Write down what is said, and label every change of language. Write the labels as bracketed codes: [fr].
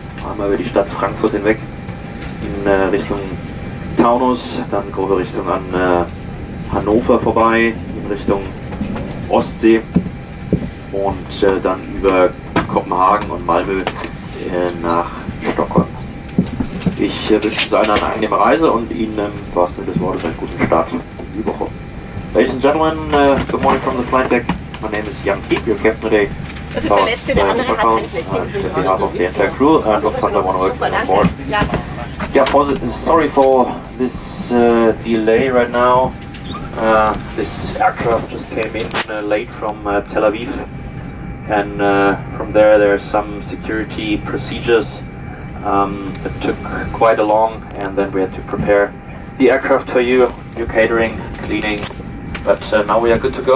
[de] Einmal über die Stadt Frankfurt hinweg, in Richtung Taunus, dann grobe Richtung an Hannover vorbei, in Richtung Ostsee und dann über Kopenhagen und Malmö nach Stockholm. Ich wünsche Ihnen eine angenehme Reise und Ihnen im wahrsten Sinne des Wortes einen guten Start in die Woche. [en] Ladies and gentlemen, good morning from the flight deck. My name is Jan Kiep, your captain today. [de] Das ist der letzte, der andere hat ein Plätzchen. [en] On behalf of the entire crew and Lufthansa One World on board. Ja, sorry for this delay right now. This aircraft just came in late from Tel Aviv. And from there are some security procedures that took quite a long, and then we had to prepare the aircraft for you, your catering, cleaning, but now we are good to go.